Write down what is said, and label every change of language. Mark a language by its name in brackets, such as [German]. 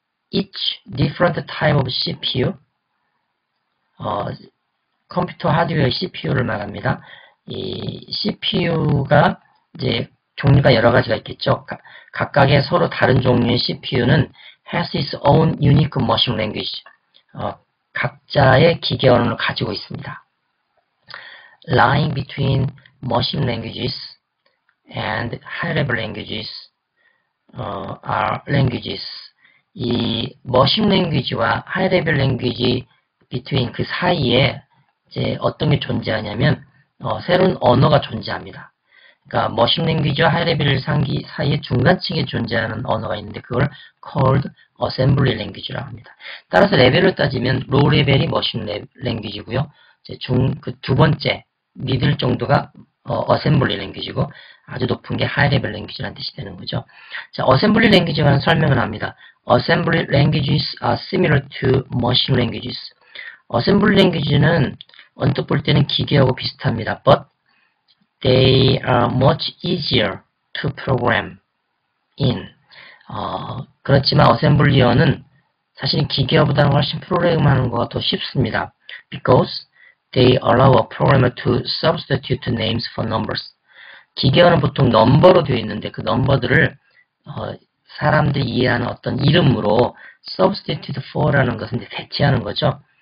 [English] Each different type of CPU, [Korean] 컴퓨터 하드웨어 CPU를 말합니다. 이 CPU가 이제 종류가 여러 가지가 있겠죠. 각각의 서로 다른 종류의 CPU는 [English] has its own unique machine language. [Korean] 각자의 기계 언어를 가지고 있습니다. [English] Lying between machine languages and high-level languages, are languages. [Korean] 이 machine language와 high-level language between 그 사이에 이제 어떤 게 존재하냐면 새로운 언어가 존재합니다. 그러니까 머신 랭귀지와 하이레벨 상기 사이에 중간층에 존재하는 언어가 있는데 그걸 called assembly language라고 합니다. 따라서 레벨을 따지면 low 레벨이 머신 랭귀지고요. 이제 중그두 번째 middle 정도가 assembly 랭귀지고 아주 높은 게 하이레벨 랭귀지라는 뜻이 되는 거죠. 자, assembly 랭귀지만 설명을 합니다. [English] Assembly languages are similar to machine languages. [Korean] Assembly languages는 언뜻 볼 때는 기계하고 비슷합니다. [English] But they are much easier to program in. [Korean] 그렇지만 어셈블리어는 사실 기계어보다는 훨씬 프로그램하는 것과 더 쉽습니다. [English] Because they allow a programmer to substitute names for numbers. [Korean] 기계어는 보통 넘버로 되어 있는데 그 넘버들을 사람들이 이해하는 어떤 이름으로 substitute for라는 것은 대체하는 거죠.